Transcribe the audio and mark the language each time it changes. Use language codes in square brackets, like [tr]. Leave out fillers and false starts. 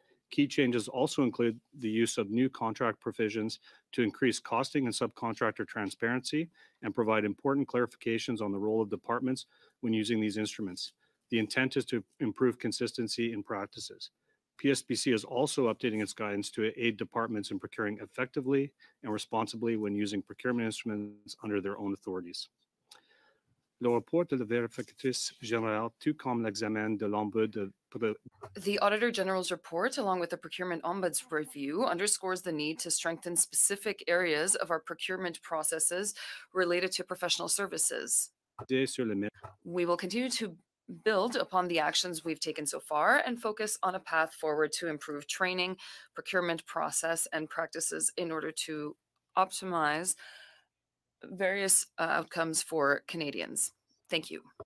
[en] Key changes also include the use of new contract provisions to increase costing and subcontractor transparency and provide important clarifications on the role of departments when using these instruments. The intent is to improve consistency in practices. PSPC is also updating its guidance to aid departments in procuring effectively and responsibly when using procurement instruments under their own authorities. [fr] Le rapport de la vérificatrice générale, tout comme l'examen de l'ombudsman. [en] The Auditor General's report, along with the Procurement Ombuds review, underscores the need to strengthen specific areas of our procurement processes related to professional services. We will continue to build upon the actions we've taken so far and focus on a path forward to improve training, procurement process, and practices in order to optimize various outcomes for Canadians. Thank you.